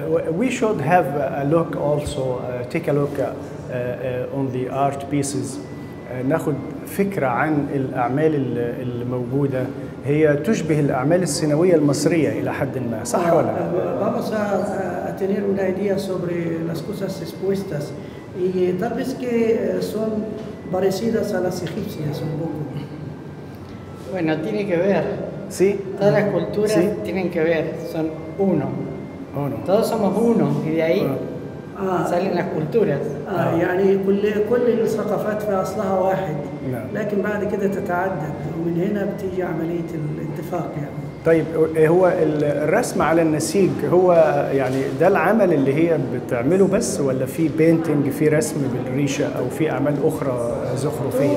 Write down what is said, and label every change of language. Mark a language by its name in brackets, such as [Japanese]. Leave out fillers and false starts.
[English] We should have a look also, take a look on the art pieces. [Arabic] ناخد فكرة عن الأعمال الموجودة هي تشبه الأعمال السنوية المصرية إلى حد ما، صح ولا لا؟ [Spanish] Vamos a tener una idea sobre las cosas expuestas y tal vez que son parecidas a las egipcias un poco. Bueno, tiene que ver. Sí. Todas las culturas tienen que ver, son uno. Oh, no. Todos somos uno y de ahí salen las culturas. [Arabic] يعني كل الثقافات في أصلها واحد. لكن بعد كده تتعدد ومن هنا بتيجي عملية الاتفاق يعني. طيب هو الرسم على النسيج هو يعني ده العمل اللي هي بتعمله بس ولا في بينتينج في رسم بالريشة أو في أعمال أخرى زخرفية؟